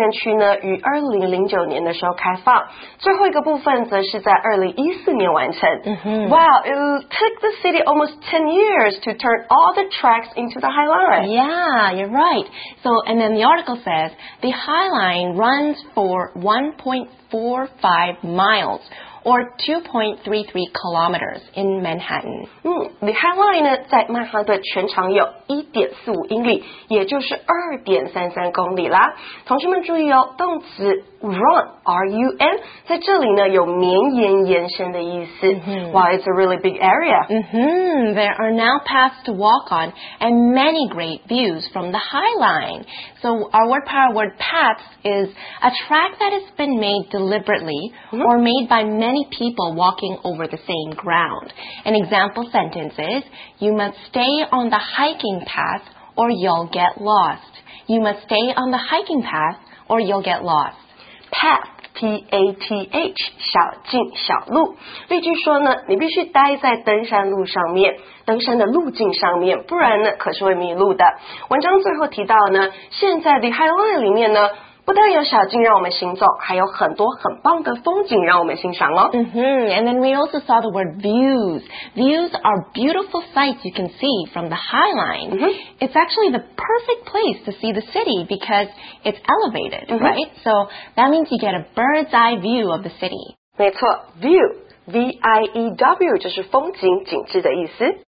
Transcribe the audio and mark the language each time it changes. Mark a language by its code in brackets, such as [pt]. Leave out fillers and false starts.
[zh] 第一个公园区呢于2009年的时候开放，最后一个部分则是在2014年完成。 Mm-hmm. [en] Wow, it took the city almost 10 years to turn all the tracks into the High Line. Yeah, you're right. So, and then the article says, the High Line runs for 1.45 miles. Or 2.33 kilometers in Manhattan. [zh] The High Line 呢，在曼哈顿全长有 1.45 英里，也就是 2.33 公里啦。同学们注意哦，动词 run, R-U-N, 在这里呢有绵延延伸的意思。 Mm-hmm. [en] Wow, it's a really big area. Mm-hmm. There are now paths to walk on and many great views from the High Line. So our word power word paths is a track that has been made deliberately mm-hmm. or made by many people walking over the same ground. An example sentence is, you must stay on the hiking path or you'll get lost. You must stay on the hiking path or you'll get lost. [zh] Path, P-A-T-H, 小径小路。例句说呢，你必须待在登山路上面，登山的路径上面，不然呢，可是会迷路的。文章最后提到呢，现在的 High Line 里面呢，不但有小径让我们行走，还有很多很棒的风景让我们欣赏哦。 Mm-hmm. [en] And then we also saw the word views. Views are beautiful sights you can see from the High Line. Mm-hmm. It's actually the perfect place to see the city because it's elevated, mm-hmm. right? So that means you get a bird's eye view of the city. [zh] 没错 ,view, V-I-E-W 就是风景景致的意思。